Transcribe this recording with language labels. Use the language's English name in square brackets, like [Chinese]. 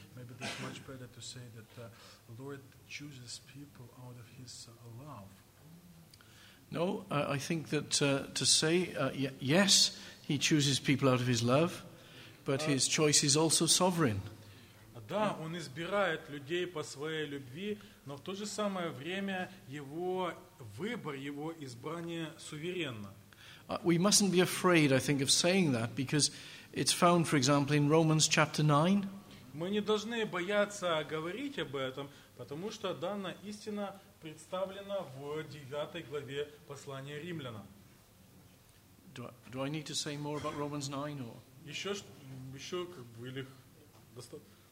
[English] Maybe it's much better to say that the Lord chooses people out of His love. No, I think that to say yes, he chooses people out of his love, but his choice is also sovereign. [Russian] Да, он избирает людей по своей любви, но в то же самое время его выбор, его избрание суверенно. [English] We mustn't be afraid, I think, of saying that because it's found, for example, in Romans chapter 9. [Russian] Мы не должны бояться говорить об этом, потому что данная истина представлена в 9 главе послания Римлянам. [English] Do I need to say more about Romans 9 or? [Russian] Еще как бы или достаточно.